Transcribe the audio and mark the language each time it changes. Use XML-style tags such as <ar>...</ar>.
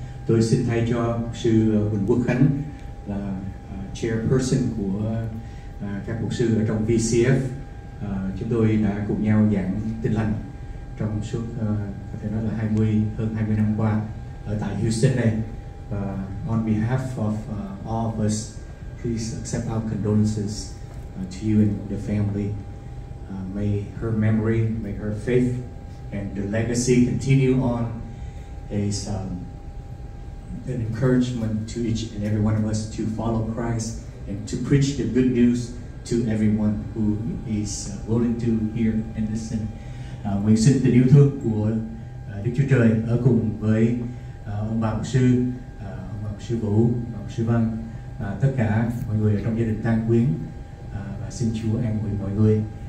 <vi>Tôi xin thay cho mục sư Huỳnh Quốc Khánh là chairperson của các mục sư ở trong VCF. Chúng tôi đã cùng nhau giảng Tin Lành trong suốt có thể nói là hơn 20 năm qua ở tại Houston này.</vi> <en>On behalf of all of us, please accept our condolences to you and the family. May her memory, may her faith, and the legacy continue on as an encouragement to each and every one of us to follow Christ and to preach the good news to everyone who is willing to hear and listen.</en> <vi>Nguyện xin tình yêu thương của Đức Chúa Trời ở cùng với ông bà mục sư Vũ, bà mục sư Văn, tất cả mọi người ở trong gia đình Tăng Quyến, và xin Chúa an ủi mọi người.</vi>